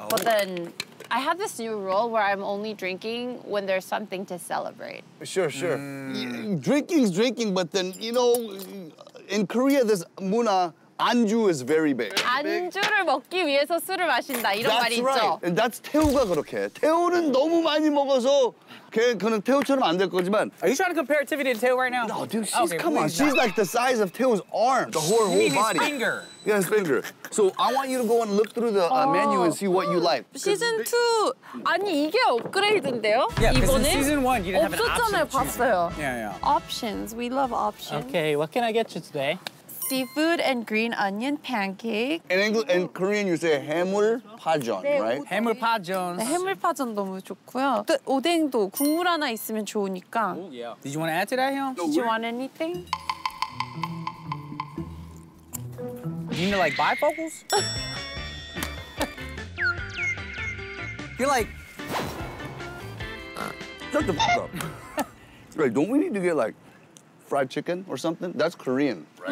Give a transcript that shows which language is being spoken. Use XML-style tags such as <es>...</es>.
<en>But then I have this new rule where I'm only drinking when there's something to celebrate. Sure. Drinking's drinking, but then, you know, in Korea, this 문화, 안주 is very big.</en> <ko>안주를 먹기 위해서 술을 마신다, 이런 말이 있죠.</ko> <en>That's right. And that's</en> <ko>태우가 그렇게. 태우는 너무 많이 먹어서 그는 태우처럼 안 될 거지만.</ko> <en>Are you trying to compare Tiffany to Teo right now? No, dude, she's, okay, come on. She's like the size of Teo's arm, the whole mean body. His finger. Yeah, his finger. So I want you to go and look through the menu and see what you like. Season 2,</en> <ko>아니, 이게 업그레이드인데요?</ko> <en>Yeah, because in season 1, you didn't have an option.</en> <ko>없었잖아요, 봤어요.</ko> <en>Yeah, yeah. Options, we love options. Okay, what can I get you today? Seafood and green onion pancake. In English, in Korean, you say 해물 파전, right?</en> <ko>해물 파전. 해물 파전 너무 좋고요. 오뎅도 국물 하나 있으면 좋으니까.</ko> <en>Oh, yeah. Did you want to add to that, 형? Did you want anything? You mean like bifocals? You're like... Shut the fuck up. Wait, don't we need to get like fried chicken or something? That's Korean, right?</en>